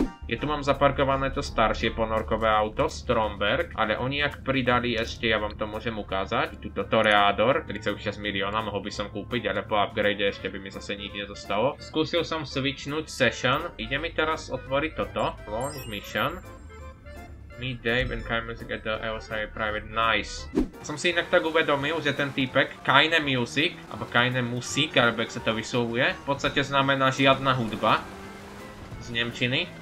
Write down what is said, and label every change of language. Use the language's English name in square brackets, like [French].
[Slovak] Je tu mám zaparkované to staršie ponorkové auto, Stromberg, ale oni ak pridali ešte, ja vám to môžem ukázať, túto Toreador, 36 milióna, mohol by som kúpiť, ale po upgrade ešte by mi zase nič nezostalo. Skúsil som switchnúť session, ide mi teraz otvoriť toto, [English] launch mission. Meet Dave and Kai Music at the LSI Private. Nice. [Slovak] Som si inak tak uvedomil, že ten týpek Kaine Music, alebo Kaine Musik, alebo jak sa to vyslovuje, v podstate znamená žiadna hudba z nemčiny.